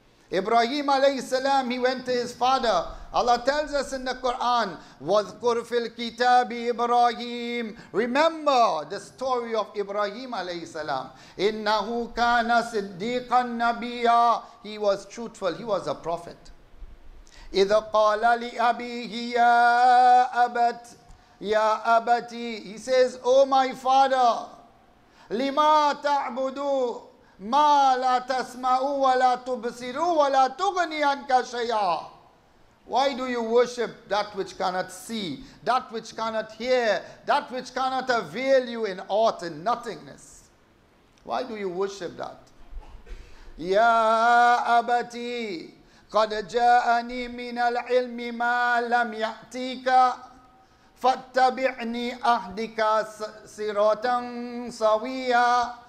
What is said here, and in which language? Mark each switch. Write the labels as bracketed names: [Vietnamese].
[English] Ibrahim alayhi salam, he went to his father. Allah tells us in the Quran, [Arabic] وَذْكُرْ فِي الْكِتَابِ إِبْرَاهِيمِ. [English] Remember the story of Ibrahim alayhi salam. [Arabic] إِنَّهُ كَانَ صِدِّيقًا نَبِيًّا. [English] He was truthful, he was a prophet. [Arabic] إِذَا قَالَ لِأَبِيهِ يَا أَبَتْ يَا أَبَتِي. [English] He says, oh my father, [Arabic] لِمَا تَعْبُدُ مَا لَا تَسْمَعُ وَلَا تُبْصِرُ وَلَا تُغْنِي عَنْكَ شَيْئًا. [English] Why do you worship that which cannot see, that which cannot hear, that which cannot avail you in aught, in nothingness? Why do you worship that? [Arabic] يَا أَبَتِي قَدْ جَاءَنِي مِنَ الْعِلْمِ مَا لَمْ يَأْتِيكَ فَاتَّبِعْنِي أَهْدِكَ صِرَاطًا سَوِيًّا.